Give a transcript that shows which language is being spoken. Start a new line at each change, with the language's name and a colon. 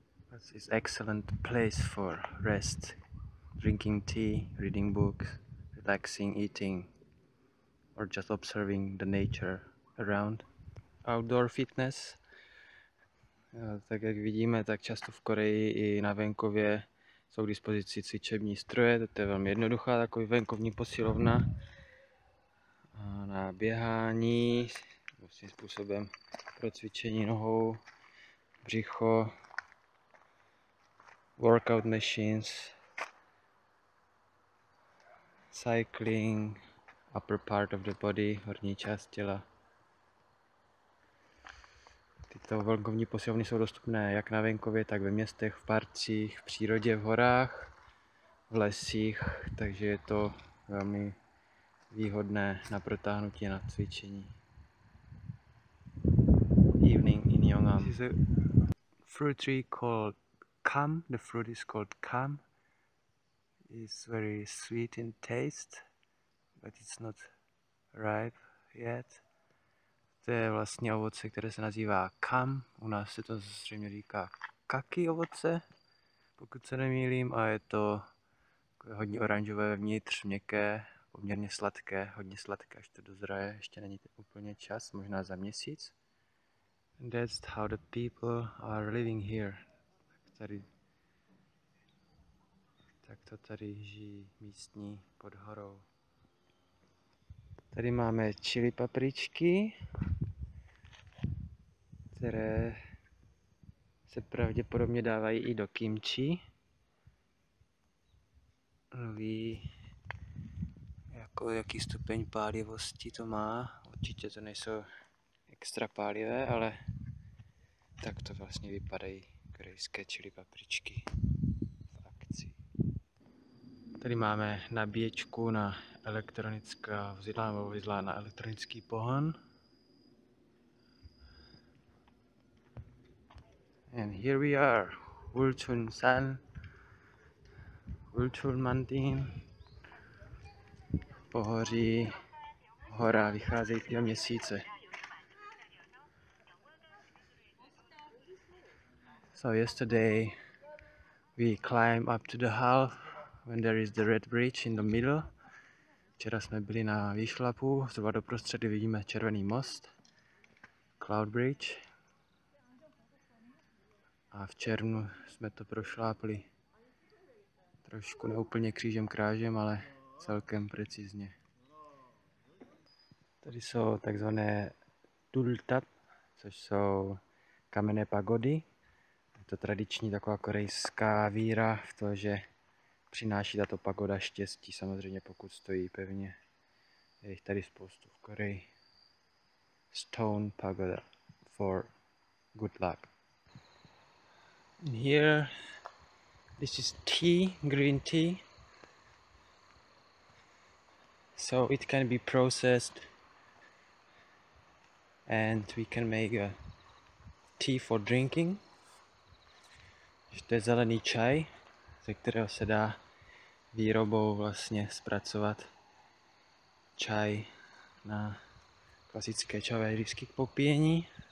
English: This is excellent place for rest, drinking tea, reading books, relaxing, eating, or just observing the nature around. Outdoor fitness.
Czech: Tak jak vidíme, tak často v Koreji i na venkově jsou k dispozici cvičební stroje, to je velmi jednoduchá takový venkovní posilovna na běhání, vlastně způsobem pro cvičení nohou, břicho,
English: workout machines, cycling, upper part of the body,
Czech: horní část těla. Tyto venkovní posilovny jsou dostupné jak na venkově, tak ve městech, v parcích, v přírodě, v horách, v lesích, takže je to velmi výhodné na protáhnutí a na cvičení.
English: Evening in Yeongam. This is a fruit tree called kam. The fruit is called kam. It's very sweet in taste, but it's not ripe yet.
Czech: To je vlastně ovoce, které se nazývá kam. U nás se to zřejmě říká kaki ovoce, pokud se nemýlím, a je to hodně oranžové vnitř, měkké, poměrně sladké, hodně sladké, až to dozraje, ještě není to úplně čas, možná za měsíc.
English: And that's how the people are living here.
Czech: Tak to tady žijí místní pod horou. Tady máme chili papričky, které se pravděpodobně dávají i do kimči. Mluví, jako jaký stupeň pálivosti to má. Určitě to nejsou extra pálivé, ale tak to vlastně vypadají korejské chili papričky v akci. Tady máme nabíječku na elektronická vozidla nebo vozidla na elektronický pohon.
English: And here we are, Wulchun-san, Wulchun-mandin,
Czech: pohoří, hora vycházejícího měsíce.
English: So yesterday we climbed up to the half when there is the red bridge in the middle.
Czech: Včera jsme byli na výšlapu, zhruba do prostředy vidíme červený most, cloud bridge. A v červnu jsme to prošlápli trošku neúplně křížem krážem, ale celkem precizně. Tady jsou takzvané dultap, což jsou kamenné pagody. Je to tradiční taková korejská víra v to, že přináší tato pagoda štěstí, samozřejmě pokud stojí pevně. Je jich tady spoustu v Koreji.
English: Stone pagoda for good luck. Here, this is tea, green tea. So it can be processed and we can make a tea for drinking.
Czech: To je zelený čaj, ze kterého se dá výrobou vlastně zpracovat čaj na klasické čajové rysky k popíjení.